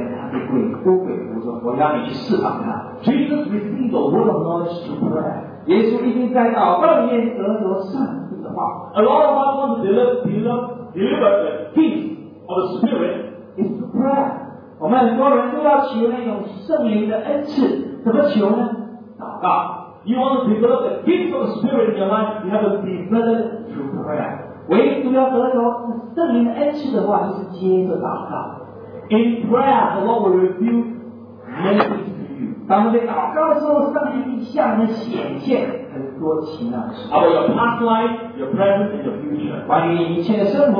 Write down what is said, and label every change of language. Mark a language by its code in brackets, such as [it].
[zh] 你要过去另外一天，因为有一个人他被鬼魔鬼附着，我要你去释放他。 [en] Jesus received the word of knowledge to prayer. [zh] 耶稣已经在祷告里面得着上帝的话。 [en] A lot of us want to deliver the peace of the Spirit. It's to prayer. [zh] 我们很多人都要求那种圣灵的恩赐，怎么求呢？祷告。 [en] You want to develop the peace of the Spirit in your life, you have to develop it through prayer. [zh] 唯独要得着圣灵的恩赐的话，就是接着祷告。 [en] In prayer, the Lord will reveal many things to you. [zh] 当我们在祷告的时候，上帝必向你显现很多奇妙的事。 [en] About your past life, your present, and your future.